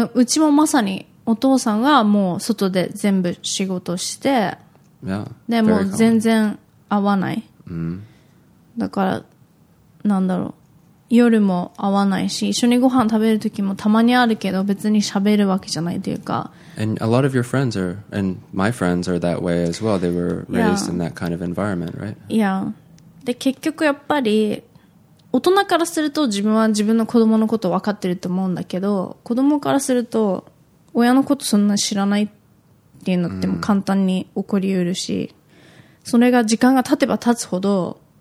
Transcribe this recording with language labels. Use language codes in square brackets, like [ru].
[ja] うちもまさにお父さんがもう外で全部仕事して、 [en] yeah, [ja] でもう全然会わない。 Mm-hmm. だからなんだろう、夜も会わないし、一緒にご飯食べる時もたまにあるけど、別に喋るわけじゃないというか。 [en] And a lot of your friends are, and my friends are that way as well. They were raised in that kind of environment, right? Yeah. [ja] で結局やっぱり大人からすると自分は自分の子供のこと分かってると思うんだけど、子供からすると親のことそんな知らないっていうのっても簡単に起こりうるし、それが時間が経てば経つほど。